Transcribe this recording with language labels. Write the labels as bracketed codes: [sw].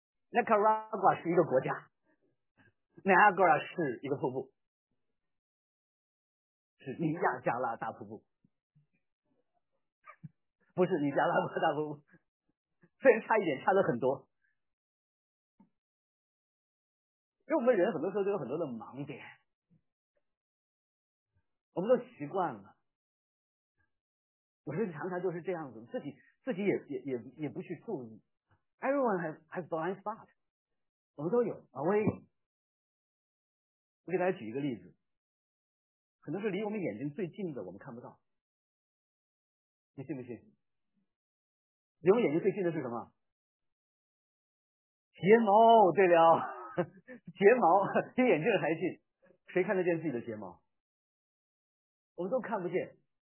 [zh] 那 Nicaragua 是一个国家，Niagara 是一个瀑布，是尼亚加拉大瀑布，不是尼加拉瓜大瀑布，虽然差一点，差了很多。因为我们人很多时候都有很多的盲点，我们都习惯了，我是常常就是这样子，自己也不去注意。 [en] Everyone has blind spot。 [zh] 我们都有啊，我也有。我给大家举一个例子，可能是离我们眼睛最近的，我们看不到。你信不信？离我们眼睛最近的是什么？睫毛。对了，睫毛离眼睛还近，谁看得见自己的睫毛？我们都看不见。